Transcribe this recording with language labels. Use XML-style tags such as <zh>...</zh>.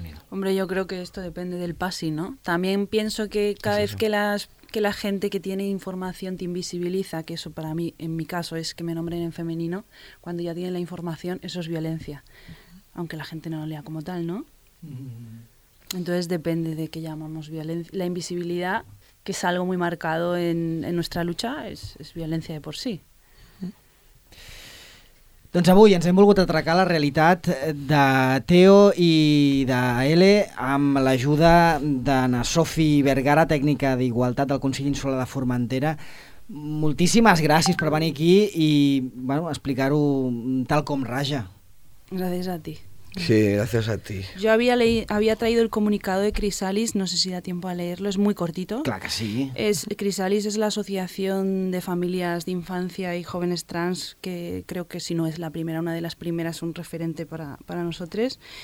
<es>Hombre, yo creo que esto depende del PASI, ¿no? También pienso que cada vez que la gente que tiene información te invisibiliza, que eso para mí, en mi caso, es que me nombren en femenino, cuando ya tienen la información, eso es violencia. Aunque la gente no lo lea como tal, ¿no? Entonces depende de qué llamamos violencia. La invisibilidad, que es algo muy marcado en nuestra lucha, es violencia de por sí.</es> <ca>Doncs avui ens hem volgut atracar la realitat de Teo i d'Ele amb l'ajuda d'Anna Sofi Vergara, tècnica d'Igualtat del Consell Insular de Formentera. Moltíssimes gràcies per venir aquí i, bueno, explicar-ho tal com raja.</ca> <es>Gracias a ti. Sí, gracias a ti. Yo había traído el comunicado de Crisalis, no sé si da tiempo a leerlo, es muy cortito. Claro que sí. Crisalis es la asociación de familias de infancia y jóvenes trans, que creo que si no es la primera, una de las primeras, un referente para nosotros.</es>